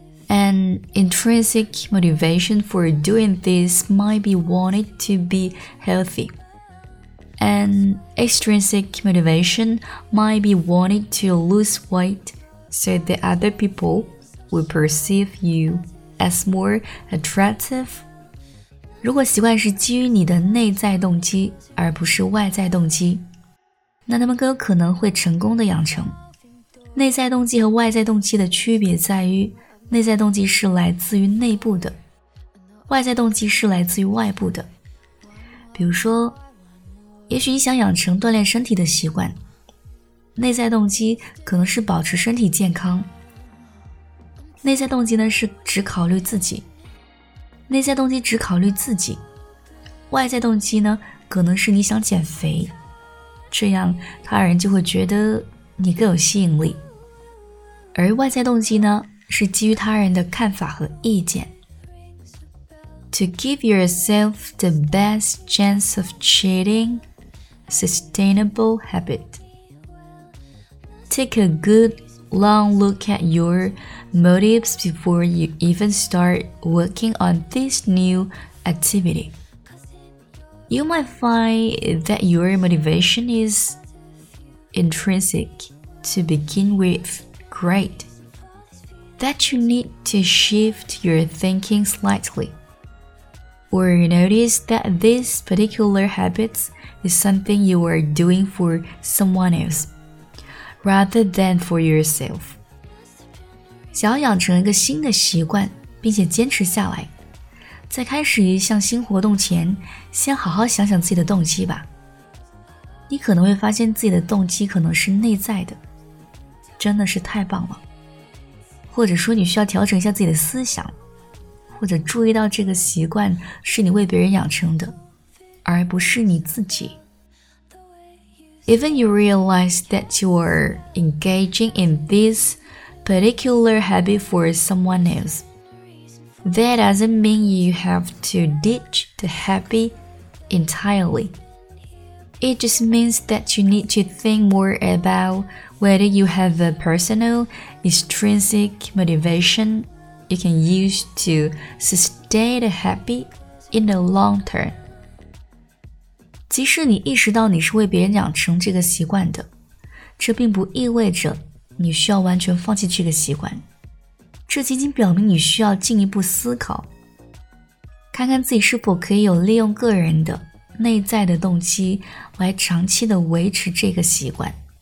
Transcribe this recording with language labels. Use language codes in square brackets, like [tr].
[en] An intrinsic motivation for doing this might be wanting to be healthy. An extrinsic motivation might be wanting to lose weight so that other people will perceive you as more attractive. [zh] 如果习惯是基于你的内在动机而不是外在动机，那他们更有可能会成功的养成。内在动机和外在动机的区别在于内在动机是来自于内部的，外在动机是来自于外部的。比如说，也许你想养成锻炼身体的习惯，内在动机可能是保持身体健康。内在动机呢是只考虑自己，内在动机只考虑自己。外在动机呢可能是你想减肥，这样他人就会觉得你更有吸引力。而外在动机呢是基于他人的看法和意见。 [en] To give yourself the best chance of creating sustainable habit, take a good long look at your motives before you even start working on this new activity. You might find that your motivation is intrinsic to begin with. Great. That you need to shift your thinking slightly, or you notice that this particular habit is something you are doing for someone else, rather than for yourself. [zh] 想要养成一个新的习惯，并且坚持下来，在开始一项新活动前，先好好想想自己的动机吧。你可能会发现自己的动机可能是内在的，真的是太棒了。或者说你需要调整一下自己的思想，或者注意到这个习惯是你为别人养成的，而不是你自己。 [en] Even you realize that you are engaging in this particular habit for someone else, that doesn't mean you have to ditch the habit entirely. It just means that you need to think more aboutWhether you have a personal, extrinsic motivation you can use to sustain the habit in the long term. [zh] 即使你意识到你是为别人养成这个习惯的，这并不意味着你需要完全放弃这个习惯。这仅仅表明你需要进一步思考，看看自己是否可以有利用个人的内在的动机来长期的维持这个习惯。